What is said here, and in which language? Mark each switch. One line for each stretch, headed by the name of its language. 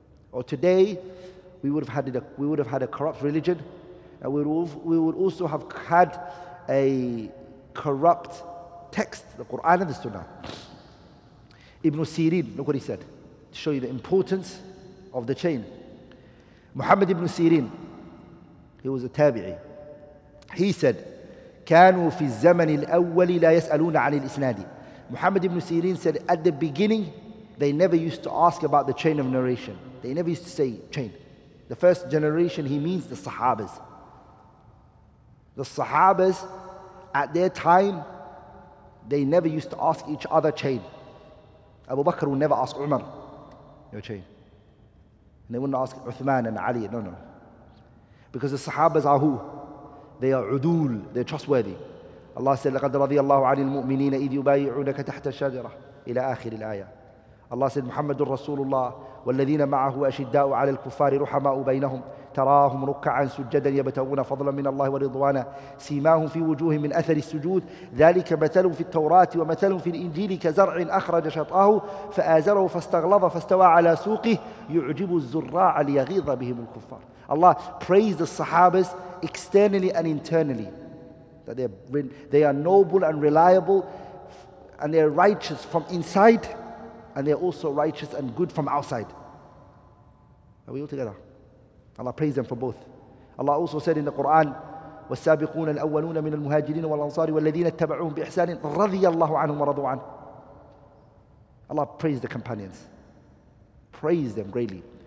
English: Or today, we would have had a corrupt religion and we would also have had a corrupt text, the Quran and the Sunnah. Ibn Sirin, look what he said, to show you the importance of the chain. Muhammad ibn Sirin, he was a tabi'i, he said,
Arabic: كانوا في الزمن الأول لا يسألون عن الإسناد.
English: Muhammad ibn Sirin said, at the beginning, they never used to ask about the chain of narration. They never used to say chain. The first generation, he means the Sahabas. The Sahabas, at their time, they never used to ask each other chain. Abu Bakr would never ask Umar, your chain. And they wouldn't ask Uthman and Ali, no. Because the Sahabas are who? They are udul, they're trustworthy. Allah said,
Arabic: لَقَدْ رَضِيَ اللَّهُ عَنِ الْمُؤْمِنِينَ إِذْ يُبَايِعُونَكَ تَحْتَ الشَّجَرَةِ إِلَىٰ آخِرِ الْآيَةِ.
English: Allah said,
Arabic: Muhammad رسول الله والذين معه أشداء على الكفار رحماء بينهم تراهم ركعا سجدا يبتغون فضلا من الله ورضوانا سيماهم في وجوههم من أثر السجود ذلك مثل في التوراة ومثل في الإنجيل كزرع أخرج شطأه فآزره فاستغلظ فاستوى على سوقه يعجب الزراع ليغيظ بهم الكفار.
English: Allah praised the Sahabas externally and internally, that they are noble and reliable and they are righteous from inside and they are also righteous and good from outside. Are we all together? Allah praise them for both. Allah also said in the Quran,
Arabic: وَالسَّابِقُونَ الْأَوَّلُونَ مِنَ الْمُهَاجِرِينَ وَالْأَنصَارِ وَالَّذِينَ اتَّبَعُوهُمْ بِإِحْسَانٍ رَضِيَ اللَّهُ عَنْهُمْ وَرَضُوا عَنْهُ.
English: Allah praise the companions. Praise them greatly.